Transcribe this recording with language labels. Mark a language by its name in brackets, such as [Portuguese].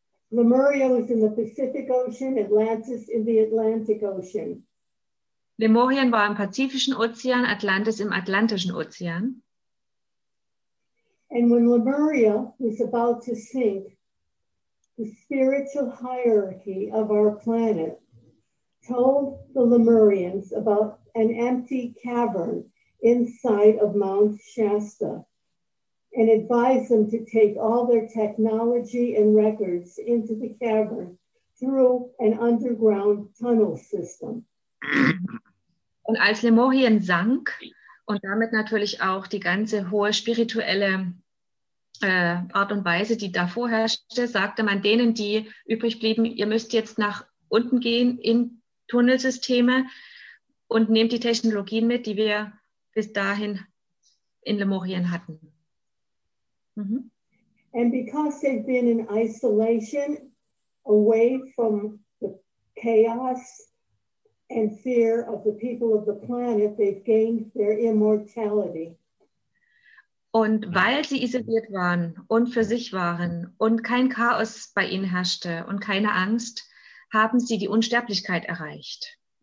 [English] Lemuria was in the Pacific Ocean, Atlantis in the Atlantic Ocean. [German] Lemurien war im Pazifischen Ozean, Atlantis im Atlantischen Ozean. [English] And when Lemuria was about to sink, the spiritual hierarchy of our planet told the Lemurians about an empty cavern inside of Mount Shasta and advised them to take all their technology and records into the cavern through an underground tunnel system. [German] Und als Lemurien sank und damit natürlich auch die ganze hohe spirituelle Art und Weise, die davor herrschte, sagte man denen, die übrig blieben, ihr müsst jetzt nach unten gehen in Tunnelsysteme und nehmt die Technologien mit, die wir bis dahin in Lemurien hatten. Mhm. [English] And because they've been in isolation, away from the chaos and fear of the people of the planet, they've gained their immortality. [German] Und weil sie isoliert waren und für sich waren und kein Chaos bei ihnen herrschte und keine Angst, haben sie die Unsterblichkeit erreicht.